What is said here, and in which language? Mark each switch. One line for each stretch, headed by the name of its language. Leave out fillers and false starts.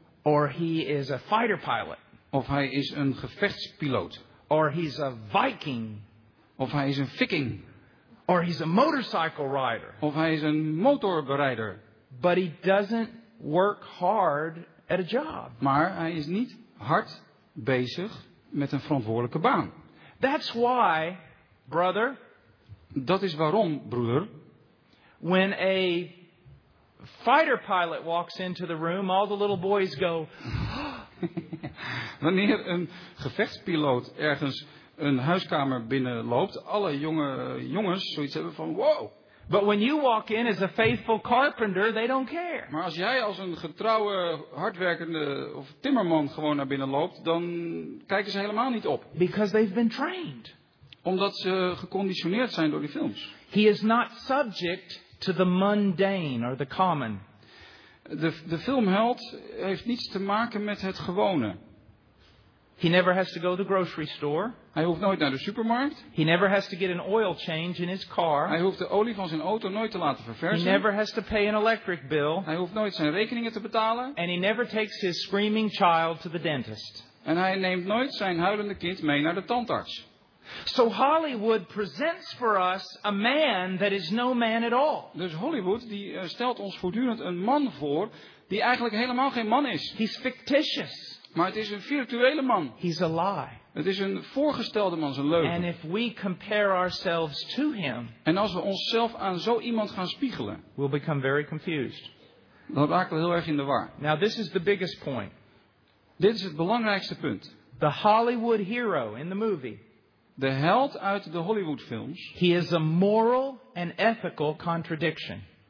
English: Or he is a fighter pilot.
Dutch: Of hij is een gevechtspiloot.
English: Or he's a Viking.
Dutch: Of hij is een Viking.
English: Or he's a motorcycle rider.
Dutch: Of hij is een motorrijder.
English: But he doesn't work hard at a job.
Dutch: Maar hij is niet hard bezig met een verantwoordelijke baan.
English: That's why, brother.
Dutch: Dat is waarom, broeder.
English: When a fighter pilot walks into the room, all the little boys go.
Dutch: Wanneer een gevechtspiloot ergens een huiskamer binnenloopt, alle jongens zoiets hebben van wow.
English: But when you walk in as a faithful carpenter, they don't care.
Dutch: Maar als jij als een getrouwe, hardwerkende of timmerman gewoon naar binnen loopt, dan kijken ze helemaal niet op.
English: Because they've been trained.
Dutch: Omdat ze geconditioneerd zijn door die films.
English: He is not subject to the mundane or the common.
Dutch: De filmheld heeft niets te maken met het gewone.
English: He never has to go to the grocery store.
Dutch: Hij hoeft nooit naar de supermarkt.
English: He never has to get an oil change in his car.
Dutch: Hij hoeft de olie van zijn auto nooit te laten verversen.
English: He never has to pay an electric bill.
Dutch: Hij hoeft nooit zijn rekeningen te betalen.
English: And he never takes his screaming child to the dentist.
Dutch: En hij neemt nooit zijn huilende kind mee naar de tandarts.
English: So Hollywood presents for us a man that is no man at all.
Dutch: Dus Hollywood die stelt ons voortdurend een man voor die eigenlijk helemaal geen man is.
English: He's fictitious.
Dutch: Maar het is een virtuele man.
English: He's a lie.
Dutch: Het is een voorgestelde man, zijn leugen.
English: And if we compare ourselves to him,
Dutch: en als we onszelf aan zo iemand gaan spiegelen,
English: we'll become very confused.
Dutch: Dan raken we heel erg in de war.
English: Now this is the biggest point.
Dutch: Dit is het belangrijkste punt.
English: The Hollywood hero in the movie.
Dutch: De held uit de Hollywoodfilms.
English: He is a moral and ethical contradiction.